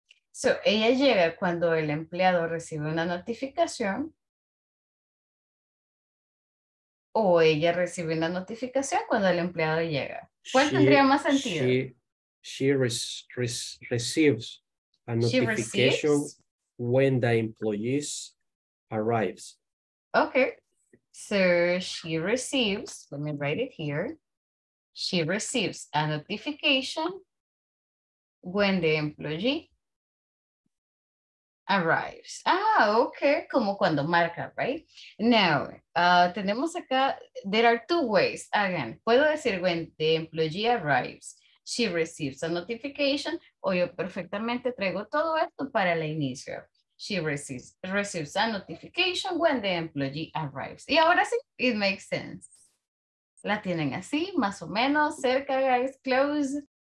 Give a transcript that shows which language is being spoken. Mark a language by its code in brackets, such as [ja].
[es] So, ella llega cuando el empleado recibe una notificación. O ella recibe una notificación cuando el empleado llega. ¿Cuál tendría más sentido? [en] She receives a notification when the employees arrives. Okay. So she receives, let me write it here. She receives a notification when the employee arrives. Ah, okay, como cuando marca, right? Now, tenemos acá, there are two ways. [es] Again, puedo decir when the employee arrives, she receives a notification, o yo perfectamente traigo todo esto para la inicio. [en] She receives a notification when the employee arrives. [es] Y ahora sí, it makes sense. La tienen así, más o menos, cerca, guys, close.